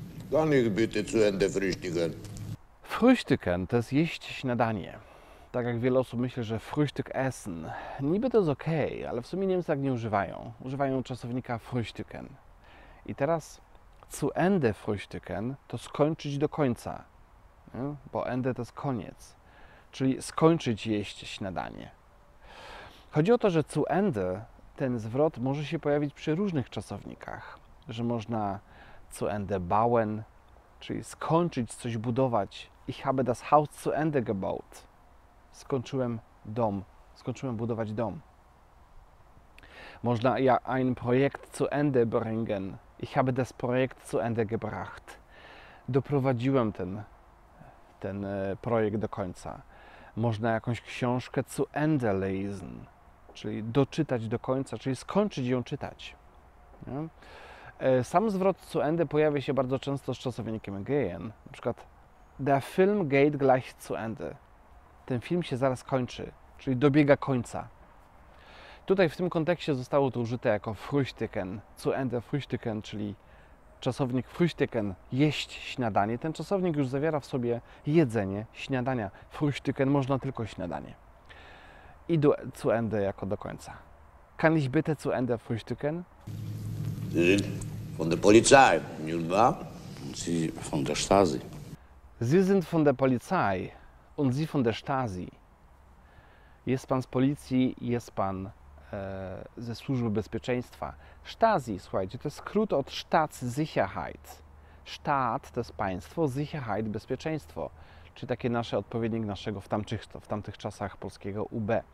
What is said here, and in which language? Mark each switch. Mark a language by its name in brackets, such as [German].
[German] Kann ich bitte zu Ende frühstücken? [Polish] Frühstücken to jest jeść śniadanie. Tak jak wiele osób myśli, że [German] frühstück essen. [Polish] Niby to jest okej, okay, ale w sumie Niemcy tak nie używają. Używają czasownika frühstücken. I teraz [German] zu Ende frühstücken [Polish] to skończyć do końca, nie? Bo Ende to jest koniec, czyli skończyć jeść śniadanie. Chodzi o to, że zu Ende, ten zwrot może się pojawić przy różnych czasownikach, że można [German] zu Ende bauen, [Polish] czyli skończyć coś budować. [German] Ich habe das Haus zu Ende gebaut. [Polish] Skończyłem dom, skończyłem budować dom. Można [German] ja ein Projekt zu Ende bringen. Ich habe das Projekt zu Ende gebracht. [Polish] Doprowadziłem ten projekt do końca. Można jakąś książkę [German] zu Ende lesen, [Polish] czyli doczytać do końca, czyli skończyć ją czytać. Sam zwrot zu Ende pojawia się bardzo często z czasownikiem gehen. Na przykład [German] der Film geht gleich zu Ende. [Polish] Ten film się zaraz kończy, czyli dobiega końca. Tutaj w tym kontekście zostało to użyte jako frühstücken, [German] zu Ende frühstücken, [Polish] czyli czasownik frühstücken, jeść śniadanie. Ten czasownik już zawiera w sobie jedzenie, śniadania. Frühstücken można tylko śniadanie. I zu Ende jako do końca. [German] Kann ich bitte zu Ende frühstücken? Sie sind von der Polizei, nicht wahr? Sie von der Stasi. Sie sind von der Polizei und Sie von der Stasi. [Polish] Jest pan z policji, jest pan ze Służby Bezpieczeństwa. Stasi, słuchajcie, to jest skrót od Staatssicherheit. Staat to jest państwo, Sicherheit, bezpieczeństwo. Czyli taki nasz odpowiednik naszego w tamtych czasach polskiego UB.